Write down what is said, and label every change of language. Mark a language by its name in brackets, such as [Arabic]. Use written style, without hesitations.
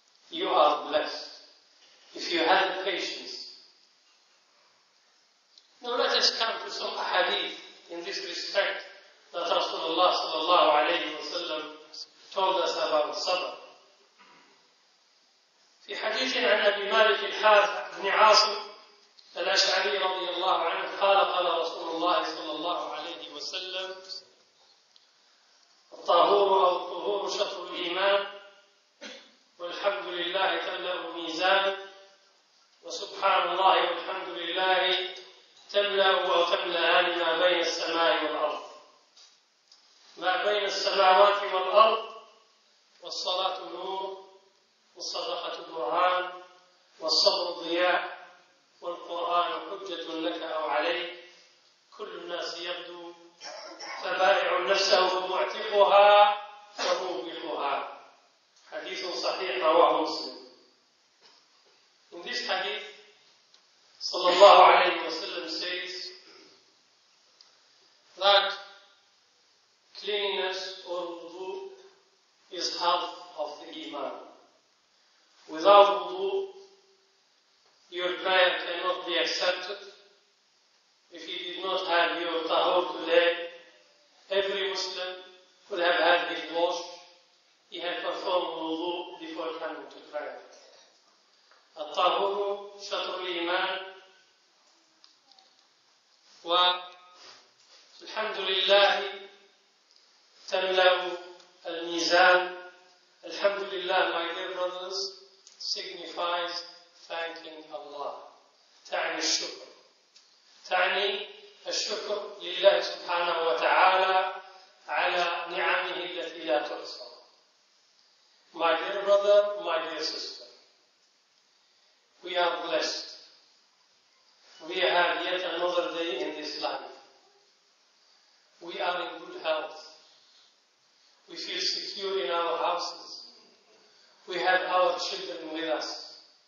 [English] You are blessed if you have patience. Now let us come to some hadith in this respect that Rasulullah sallallahu alayhi wa sallam told us about sabr. [Arabic] في حديث عن أبي مالك الحارث بن عاصم الأشعري رضي الله عنه قال قال رسول الله صلى الله عليه وسلم الطهور أو الطهور شطر الإيمان والحمد لله تملأ ميزان وسبحان الله والحمد لله تملأ وتملأان ما بين السماء والأرض ما بين السماوات والأرض والصلاة نور والصدقة برهان والصبر ضياء والقرآن حجة لك أو عليك كل الناس يبدو فبائع نفسه فمعتقها فموبقها حديث صحيح رواه مسلم. [English] In this hadith, صلى الله عليه وسلم says that cleanliness or wudu is half of the iman. Without wudu, your prayer cannot be accepted. If you did not have your tahoor today, every Muslim could have had his wash. He had performed wudu before coming to prayer. [Arabic] At-tahoor, shatr al-iman. Wa alhamdulillah, tamla'u al-mizan. [English] Alhamdulillah, my dear brothers, signifies thanking Allah. [Arabic] تعني الشكر. تعني الشكر لله سبحانه وتعالى على نعمه التي لا تحصى. [English] My dear brother, my dear sister, we are blessed. We have yet another day in this life. We are in good health. We feel secure in our houses. We have our children with us.